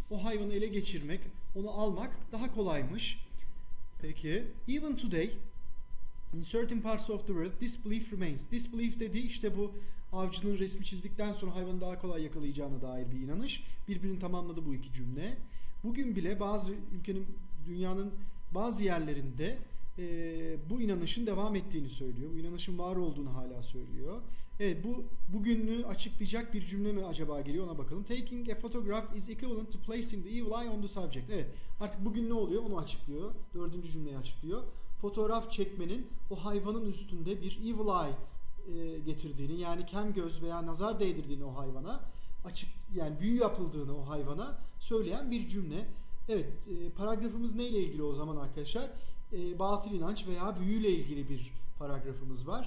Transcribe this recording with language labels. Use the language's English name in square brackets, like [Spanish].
[Turkish] O hayvanı ele geçirmek, onu almak daha kolaymış. [English] Peki, even today in certain parts of the world, this belief remains. This belief [Turkish] dediği işte bu avcının resmi çizdikten sonra hayvanı daha kolay yakalayacağına dair bir inanış. Birbirini tamamladı bu iki cümle. Bugün bile bazı ülkenin, dünyanın bazı yerlerinde bu inanışın devam ettiğini söylüyor. Bu inanışın var olduğunu hala söylüyor. Evet, bu bugününü açıklayacak bir cümle mi acaba geliyor, ona bakalım. [English] Taking a photograph is equivalent to placing the evil eye on the subject. [Turkish] Evet, artık bugün ne oluyor onu açıklıyor. Dördüncü cümleyi açıklıyor. Fotoğraf çekmenin o hayvanın üstünde bir evil eye getirdiğini, yani kem göz veya nazar değdirdiğini o hayvana, yani büyü yapıldığını o hayvana söyleyen bir cümle. Evet, paragrafımız ne ile ilgili o zaman arkadaşlar? Batıl inanç veya büyü ile ilgili bir paragrafımız var.